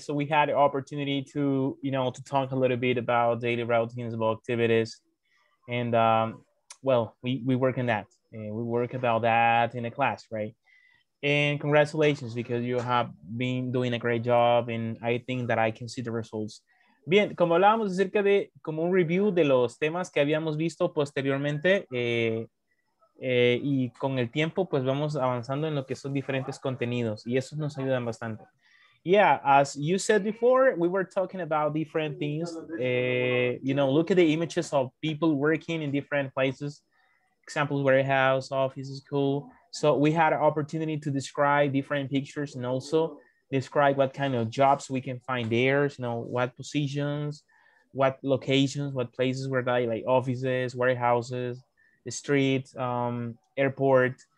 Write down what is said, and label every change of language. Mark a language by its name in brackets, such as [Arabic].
[English] So we had the opportunity to, you know, to talk a little bit about daily routines of activities. And well, we work on that. And we work about that in a class, right? And congratulations, because you have been doing a great job. And I think that I can see the results. [Spanish] Bien, como hablábamos acerca de como un review de los temas que habíamos visto posteriormente. Y con el tiempo, pues vamos avanzando en lo que son diferentes contenidos. Y eso nos ayudan bastante. [English] Yeah, as you said before, we were talking about different things. You know, look at the images of people working in different places, examples, warehouse, office, school. So we had an opportunity to describe different pictures and also describe what kind of jobs we can find there, you know, what positions, what locations, what places were they, like offices, warehouses, the street, airport.